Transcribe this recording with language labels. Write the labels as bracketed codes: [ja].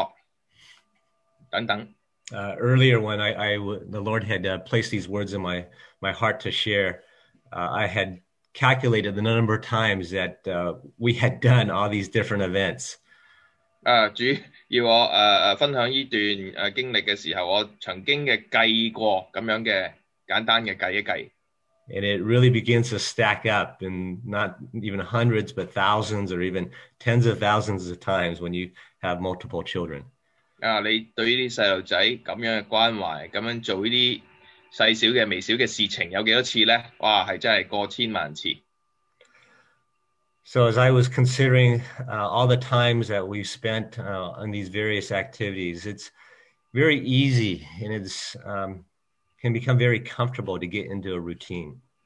[zh] 从对小孩子帮他冲凉、剪头发、煮饭、带他上学等等。 [en] Earlier when the Lord had placed these words in my heart to share, I had calculated the number of times that we had done all these different events. [zh] 主要我分享这段经历的时候，我曾经的计过这样的简单的计一计。 [en] And it really begins to stack up in not even hundreds, but thousands or even tens of thousands of times when you have multiple children. [zh] 你对这些小孩子这样的关怀，这样做这些小小的、微小的事情有多少次呢？哇，是真的过千万次。 [en] So as I was considering all the times that we've spent on these various activities, it's very easy and it can become very comfortable to get into a routine.